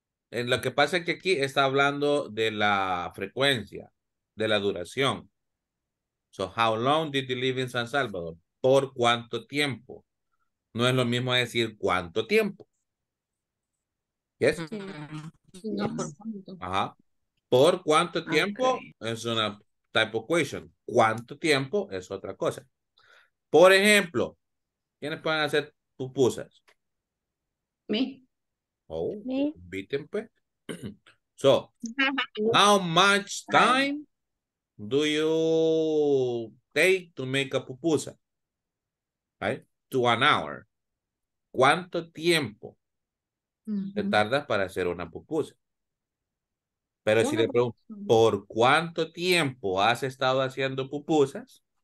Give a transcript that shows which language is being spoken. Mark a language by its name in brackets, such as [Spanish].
[Spanish] En lo que pasa es que aquí está hablando de la frecuencia, de la duración. [English] So, how long did you live in San Salvador? [Spanish] ¿Por cuánto tiempo? No es lo mismo decir cuánto tiempo. ¿Yes? No, por cuánto. Ajá. ¿Por cuánto tiempo? Okay. Es una [English] type of question. [Spanish] ¿Cuánto tiempo? Es otra cosa. Por ejemplo, ¿quiénes pueden hacer pupusas? [English] Me. Oh, beaten pe. So, how much time do you take to make a pupusa? Right? To an hour. [Spanish] ¿Cuánto tiempo te tardas para hacer una pupusa? Pero si le pregunto, ¿por cuánto tiempo has estado haciendo pupusas?